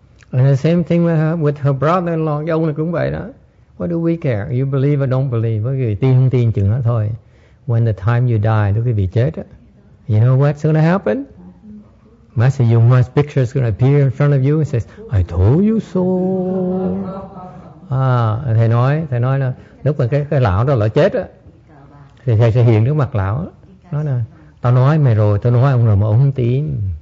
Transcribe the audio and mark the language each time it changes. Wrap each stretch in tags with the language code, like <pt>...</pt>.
<en>And the same thing with her brother-in-law.</en> <vi>Cái ông này cũng vậy đó.</vi> <en>What do we care? You believe or don't believe?</en> <vi>Với người tin không tin chừng đó thôi.</vi> <en>When the time you die,</en> <vi>đó quý vị chết á.</vi> <en>You know what's going to happen? Master Yung Hwa's picture is going to appear in front of you and says, I told you so.</en> <vi>Thầy nói là lúc mà cái lão đó là chết á, thì thầy sẽ hiện trước mặt lão. Nói là, tao nói mày rồi, tao nói ông rồi mà ông không tin.</vi>